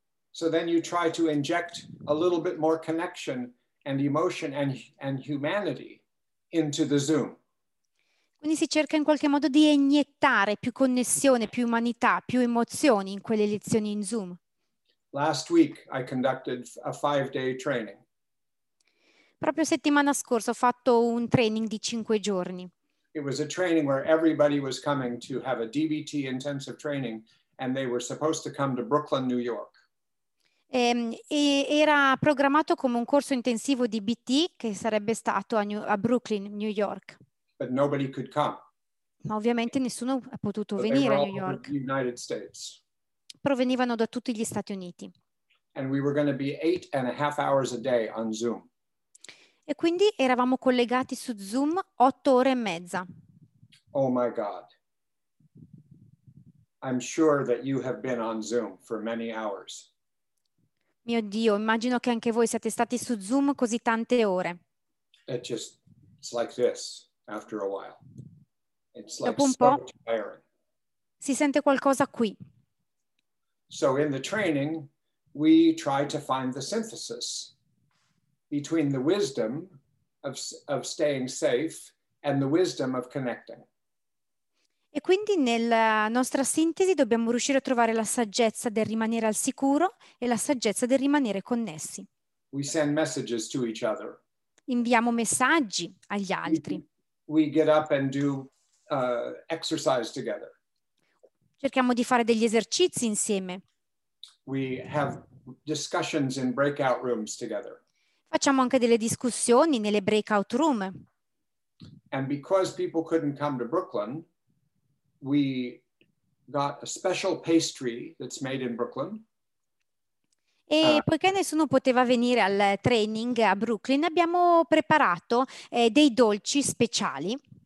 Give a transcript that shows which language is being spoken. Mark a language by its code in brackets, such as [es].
[en] So then you try to inject a little bit more connection and emotion and humanity into the Zoom. [it] Quindi si cerca in qualche modo di iniettare più connessione, più umanità, più emozioni in quelle lezioni in Zoom. [en] Last week I conducted a 5-day training. [it] Proprio settimana scorsa ho fatto un training di 5 giorni. [en] It was a training where everybody was coming to have a DBT intensive training and they were supposed to come to Brooklyn, New York. [it] E era programmato come un corso intensivo DBT che sarebbe stato a Brooklyn, New York. [en] But nobody could come. [it] Ma ovviamente nessuno è potuto venire a New York. [en] United States. [it] Provenivano da tutti gli Stati Uniti. [en] And we were going to be 8.5 hours a day on Zoom. [it] E quindi eravamo collegati su Zoom 8 ore e mezza. [en] Oh my God. I'm sure that you have been on Zoom for many hours. [it] Mio Dio, immagino che anche voi siate stati su Zoom così tante ore. [en] It's like this. After a while, it's like [it] dopo un po', [en] tiring. [it] Si sente qualcosa qui. [en] So in the training, we try to find the synthesis between the wisdom of staying safe and the wisdom of connecting. [it] E quindi nella nostra sintesi dobbiamo riuscire a trovare la saggezza del rimanere al sicuro e la saggezza del rimanere connessi. [en] We send messages to each other. [it] Inviamo messaggi agli altri. [en] We get up and do exercise together. [it] Cerchiamo di fare degli esercizi insieme. [en] We have discussions in breakout rooms together. [it] Facciamo anche delle discussioni nelle breakout room. [en] And because people couldn't come to Brooklyn, we got a special pastry that's made in Brooklyn. [it] E poiché nessuno poteva venire al training a Brooklyn, abbiamo preparato dei dolci speciali.